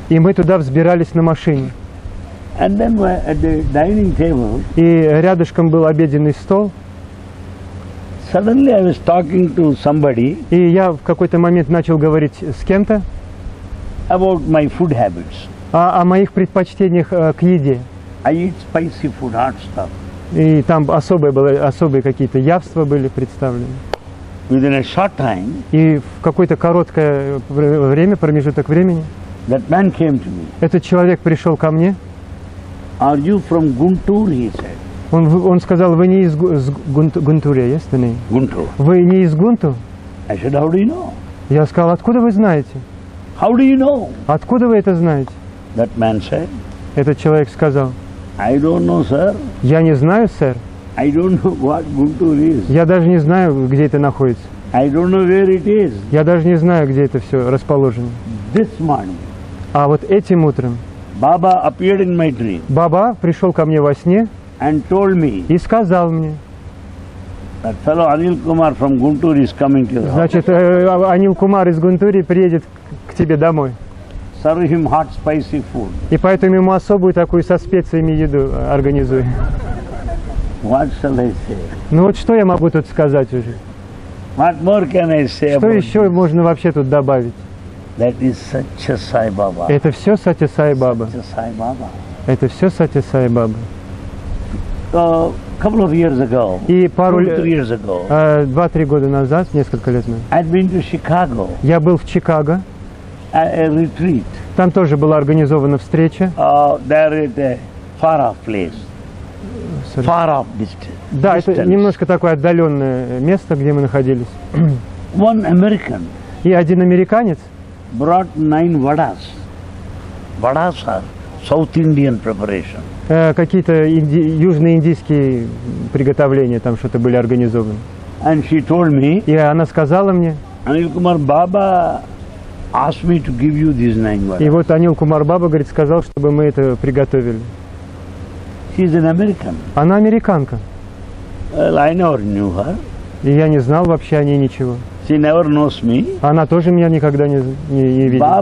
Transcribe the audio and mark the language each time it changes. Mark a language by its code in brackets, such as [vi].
[ru] И мы туда взбирались на машине. [en] And then at the dining table. [ru] И рядышком был обеденный стол. [en] Suddenly I was talking to somebody. [ru] И я в какой-то момент начал говорить с кем-то. [en] About my food habits. [ru] О моих предпочтениях к еде. [en] I eat spicy food, hot stuff. [ru] И там особые какие-то явства были представлены. [en] Within a short time. [ru] И в какое-то короткое время, промежуток времени. [en] That man came to me. [ru] Этот человек пришел ко мне. [en] Are you from Guntur? He said. [ru] Он сказал, вы не из Гунтура, есть ли? Гунтур. Вы не из Гунту? [en] I said, how do you know? [ru] Я сказал, откуда вы знаете? [en] How do you know? [ru] Откуда вы это знаете? [en] That man said. [ru] Этот человек сказал. [en] I don't know, sir. [ru] Я не знаю, сэр. [en] I don't know what Guntur is. [ru] Я даже не знаю, где это находится. [en] I don't know where it is. [ru] Я даже не знаю, где это все расположено. [en] This morning. [ru] А вот этим утром. [en] Baba appeared in my dream. [ru] Баба пришел ко мне во сне. [en] And told me. [ru] И сказал мне. [en] That fellow Anil Kumar from Guntur is coming to your house. [ru] Значит, Анил Кумар из Гунтури приедет к тебе домой. [en] Serve him hot spicy food. [ru] И поэтому ему особую такую со специями еду организуй. [en] What shall I say? [ru] Ну вот что я могу тут сказать уже? [en] What more can I say? [ru] Что еще можно вообще тут добавить? [en] That is Satya Sai Baba. [ru] Это все Сатья Сай Баба. [en] Satya Sai Baba. [ru] Это все Сатья Сай Баба. [en] Couple of years ago. [ru] И пару лет. [en] Years ago. [ru] 2-3 года назад, несколько лет назад. [en] I've been to Chicago. [ru] Я был в Чикаго. [en] A retreat. [ru] Там тоже была организована встреча. [en] There is a far off place. Sorry. Far off distance. [ru] Да, это немножко такое отдаленное место, где мы находились. [en] One American. [ru] И один американец. [en] Brought 9 vadas. Vadas are South Indian preparation. [ru] Какие-то южноиндийские приготовления там что-то были организованы. [en] And she told me, [ru] и она сказала мне, [en] Anil Kumar Baba asked me to give you these 9 vadas. [ru] И вот Анил Кумар Баба, говорит, сказал, чтобы мы это приготовили. [en] She's an American. [ru] Она американка. [en] Well, I never knew her. [ru] И я не знал вообще о ней ничего. [en] She never knows me. [ru] Она тоже меня никогда не видела.